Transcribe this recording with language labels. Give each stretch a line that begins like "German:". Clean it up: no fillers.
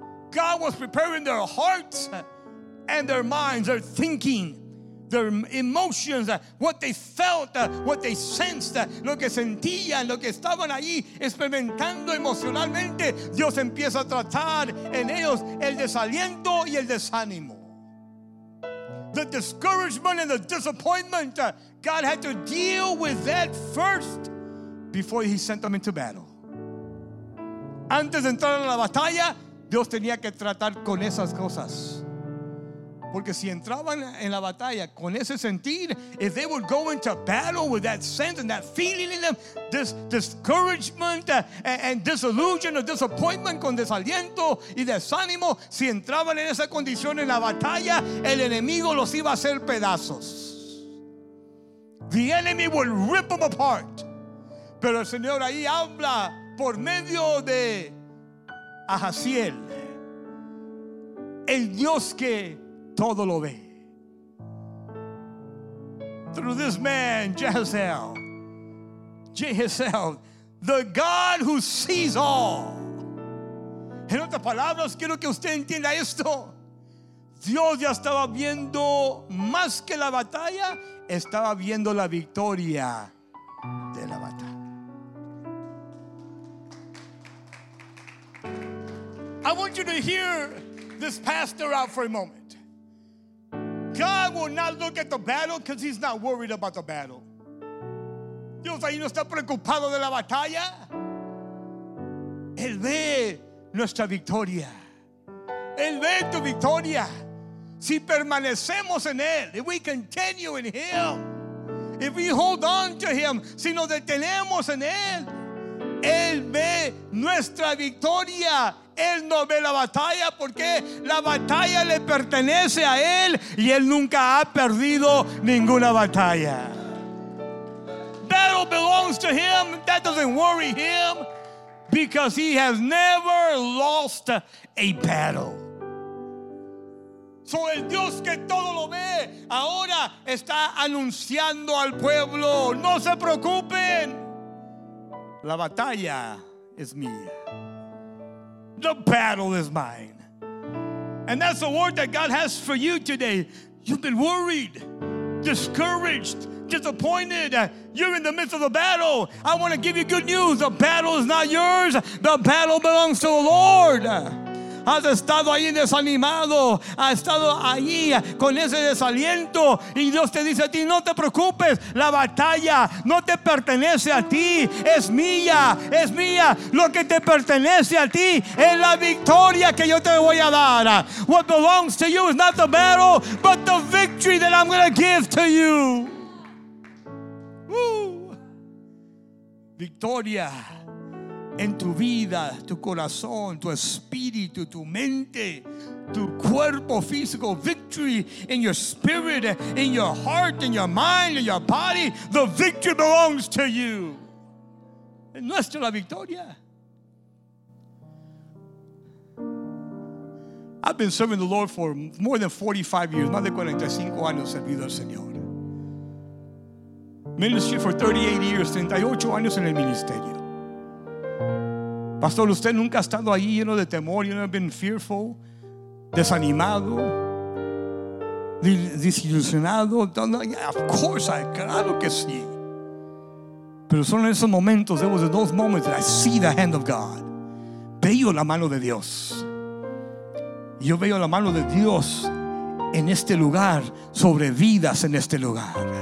English: God was preparing their hearts and their minds, their thinking, their emotions, what they felt, what they sensed,
Spanish: lo que sentían, lo que estaban ahí experimentando emocionalmente. Dios empieza a tratar en ellos el desaliento y el desánimo.
English: The discouragement and the disappointment, God had to deal with that first before he sent them into battle.
Spanish: Antes de entrar en la batalla, Dios tenía que tratar con esas cosas. Porque si entraban en la batalla con ese sentir,
English: if they would go into battle with that sense and that feeling in them, this discouragement and disillusion or disappointment,
Spanish: con desaliento y desánimo, si entraban en esa condición en la batalla, el enemigo los iba a hacer pedazos.
English: The enemy would rip them apart.
Spanish: Pero el Señor ahí habla por medio de Ahaziel, el Dios que todo lo ve.
English: Through this man, Jehazel, the God who sees all.
Spanish: En otras palabras, quiero que usted entienda esto. Dios ya estaba viendo más que la batalla, estaba viendo la victoria de la batalla.
English: I want you to hear this pastor out for a moment. God will not look at the battle because he's not worried about the battle.
Spanish: Dios ahí no está preocupado de la batalla. Él ve nuestra victoria. Él ve tu victoria. Si permanecemos en Él,
English: if we continue in Him, if we hold on to Him,
Spanish: si nos detenemos en Él, Él ve nuestra victoria. Él no ve la batalla, porque la batalla le pertenece a Él y Él nunca ha perdido ninguna batalla.
English: Battle belongs to Him. That doesn't worry Him, because He has never lost a battle.
Spanish: So el Dios que todo lo ve ahora está anunciando al pueblo, no se preocupen, la batalla es mía.
English: The battle is mine. And that's the word that God has for you today. You've been worried, discouraged, disappointed. You're in the midst of the battle. I want to give you good news. The battle is not yours. The battle belongs to the Lord.
Spanish: Has estado ahí desanimado. Has estado ahí con ese desaliento. Y Dios te dice a ti, no te preocupes. La batalla no te pertenece a ti. Es mía, es mía. Lo que te pertenece a ti es la victoria que yo te voy a dar.
English: What belongs to you is not the battle, but the victory that I'm going to give to you. Woo.
Spanish: victoria en tu vida, tu corazón, tu espíritu, tu mente, tu cuerpo físico.
English: Victory in your spirit, in your heart, in your mind, in your body. The victory belongs to you.
Spanish: Es nuestra la victoria.
English: I've been serving the Lord for more than 45 years.
Spanish: Más de 45 años servido al Señor.
English: Ministry for 38 years,
Spanish: 38 años en el ministerio. Pastor, usted nunca ha estado ahí lleno de temor.
English: You've never been fearful,
Spanish: desanimado, desilusionado.
English: Of course,
Spanish: claro que sí. Pero son esos momentos,
English: there was those moments that I see the hand of God.
Spanish: Veo la mano de Dios. Yo veo la mano de Dios en este lugar, sobre vidas en este lugar.